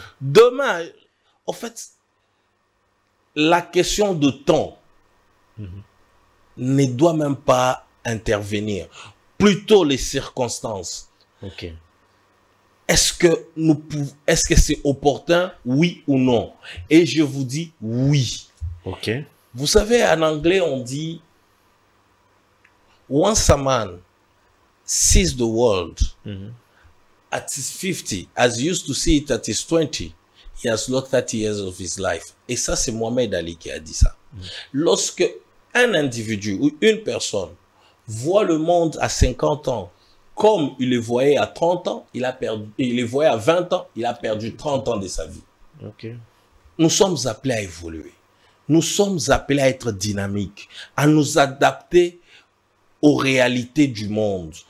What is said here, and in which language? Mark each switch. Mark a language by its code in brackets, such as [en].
[fr] Demain, en fait, la question de temps ne doit même pas intervenir. Plutôt les circonstances. Ok. Est-ce que c'est opportun, oui ou non? Et je vous dis oui. Ok. Vous savez, en anglais, on dit [en] once a man sees the world at his 50, as he used to see it at his 20, he has lost 30 years of his life. [fr] Et ça, c'est Mohamed Ali qui a dit ça. Lorsque un individu ou une personne voit le monde à 50 ans comme il le voyait à 30 ans, il a perdu, il le voyait à 20 ans, il a perdu 30 ans de sa vie. Okay. Nous sommes appelés à évoluer. Nous sommes appelés à être dynamiques, à nous adapter aux réalités du monde.